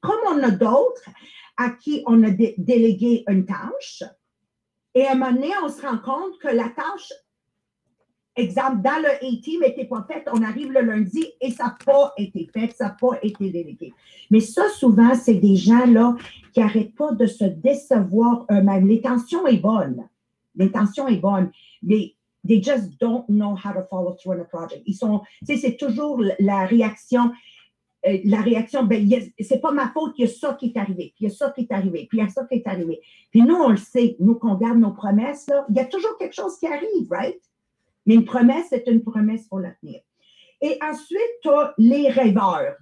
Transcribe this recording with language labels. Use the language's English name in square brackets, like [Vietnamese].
[French] Comme on a d'autres à qui on a délégué une tâche, et à un moment donné, on se rend compte que la tâche exemple, dans le A-team n'était pas fait, on arrive le lundi et ça n'a pas été fait, ça n'a pas été délégué. Mais ça, souvent, c'est des gens-là qui n'arrêtent pas de se décevoir eux-mêmes. L'intention est bonne. L'intention est bonne. [English] Mais they just don't know how to follow through on a project. [French] Ils sont, tu sais, c'est toujours la réaction, ben, c'est pas ma faute, il y a ça qui est arrivé. Puis nous, on le sait, nous, qu'on garde nos promesses, là, il y a toujours quelque chose qui arrive, right? Mais une promesse, c'est une promesse pour l'avenir. Et ensuite, tu as les rêveurs.